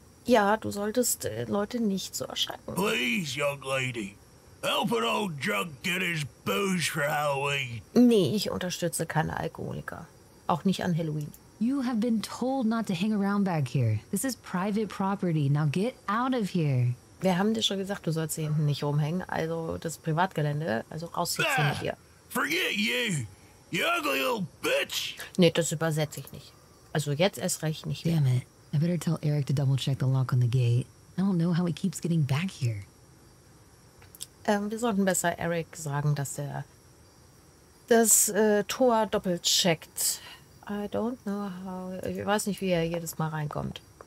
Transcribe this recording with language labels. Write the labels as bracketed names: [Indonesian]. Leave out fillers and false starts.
[German] Ja, du solltest Leute nicht so erschrecken. [English] Please, young lady. Help an old drunk get his booze for Halloween. [German] Nee, ich unterstütze keine Alkoholiker. Auch nicht an Halloween. [English] You have been told not to hang around back here. This is private property. Now get out of here. [German] Wir haben dir schon gesagt, du sollst hier hinten nicht rumhängen. Also das Privatgelände. Also raus jetzt von hier. [English] Forget you, you ugly old bitch. [German] Nee, das übersetze ich nicht. Also jetzt erst recht nicht mehr. [English] Damn it. I better tell Eric to double check the lock on the gate. I don't know how he keeps getting back here. [German] Wir sollten besser Eric sagen, dass er das Tor doppelt checkt. [English] I don't know how. [German] Ich weiß nicht, wie er jedes Mal reinkommt.